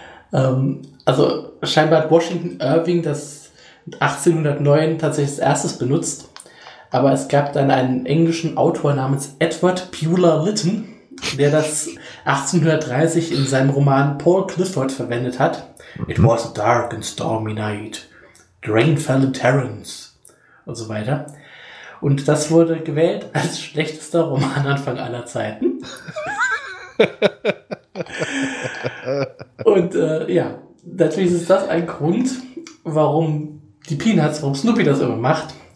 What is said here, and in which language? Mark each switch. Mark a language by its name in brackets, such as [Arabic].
[German] Also scheinbar hat Washington Irving das 1809 tatsächlich als erstes benutzt. Aber es gab dann einen englischen Autor namens Edward Beulah Lytton, der das 1830 in seinem Roman Paul Clifford verwendet hat. [English] It was a dark and stormy night. The rain fell in torrents. [German] Und so weiter. Und das wurde gewählt als schlechtester Roman Anfang aller Zeiten. Und ja, natürlich ist das ein Grund, warum die Peanuts, warum Snoopy das immer macht.